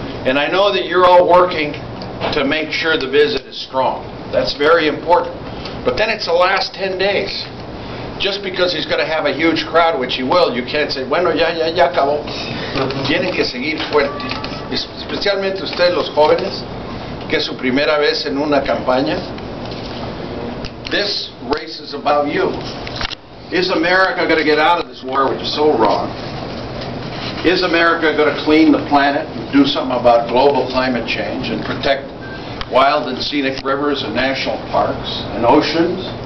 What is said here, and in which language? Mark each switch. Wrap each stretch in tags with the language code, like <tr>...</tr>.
<en>And I know that you're all working to make sure the visit is strong. That's very important. But then it's the last 10 days. Just because he's going to have a huge crowd, which he will, you can't say,</en> <es>bueno, ya acabó. Tiene que seguir fuerte. Especialmente ustedes, los jóvenes, que es su primera vez en una campaña.</es> <en>This race is about you. Is America going to get out of this war, which is so wrong? Is America going to clean the planet and do something about global climate change and protect wild and scenic rivers and national parks and oceans?</en>